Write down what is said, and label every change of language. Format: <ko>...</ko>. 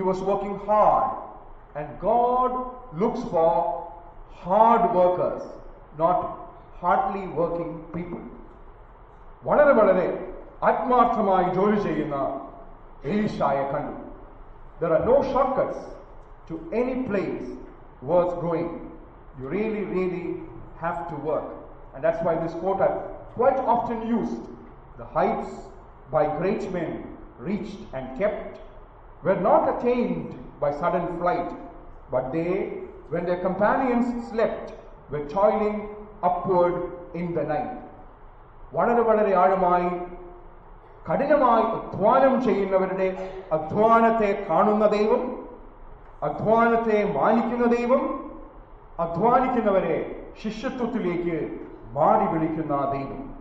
<en>working hard and God looks for hard workers not hardly working people</en> <ml>വളരെ വളരെ ആത്മാർത്ഥമായി ജോലി ചെയ്യുന്ന എലീഷായെ കണ്ടു</ml> <en>There are no shortcuts to any place worth growing you really really have to work. And that's why this quote I've quite often used, the heights by great men reached and kept were not attained by sudden flight, but they, when their companions slept, were toiling upward in the night.</en> <ml>വളരെ വളരെ ആഴമായി കഠിനമായി അധ്വാനം ചെയ്യുന്നവരുടെ അധ്വാനത്തെ കാണുന്ന ദൈവം, അധ്വാനത്തെ മാനിക്കുന്ന ദൈവം, അധ്വാനിക്കുന്നവരെ ശിഷ്യത്വത്തിലേക്ക് മാറി വിളിക്കുന്ന ദൈവം.</ml>